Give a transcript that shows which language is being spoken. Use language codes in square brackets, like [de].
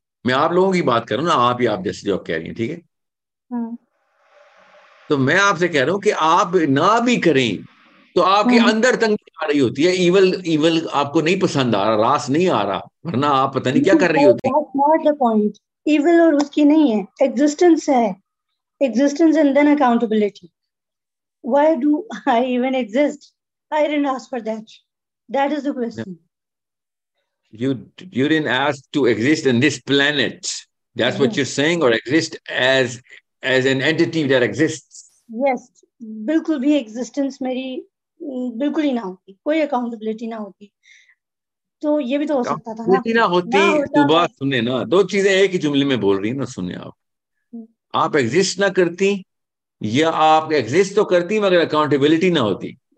[hi] मैं आप लोगों की बात करूं ना, आप ही आप जैसे जो आप कह रही हैं, ठीक है. तो मैं आपसे कह रहा हूं कि आप ना भी करें तो आपके अंदर तंगी आ रही होती है. ईवल ईवल आपको नहीं पसंद आ रहा, रास नहीं आ रहा, वरना आप पता नहीं क्या कर रही होती. Evil और उसकी नहीं है, existence है, [en] existence and then accountability. Why do I even exist? I didn't ask for that. That is the question. You didn't ask to exist in this planet. That's what you're saying, or exist as an entity that exists. [hi] Yes, बिल्कुल भी existence मेरी बिल्कुल ही ना होती, कोई accountability ना होती. तो ये भी तो हो सकता था होती ना होती. दुबा सुने ना, दो चीजें एक ही जुमले में बोल रही है ना, सुने आप. आप एग्जिस्ट ना करती, या आप एग्जिस्ट तो करती मगर अकाउंटेबिलिटी ना होती.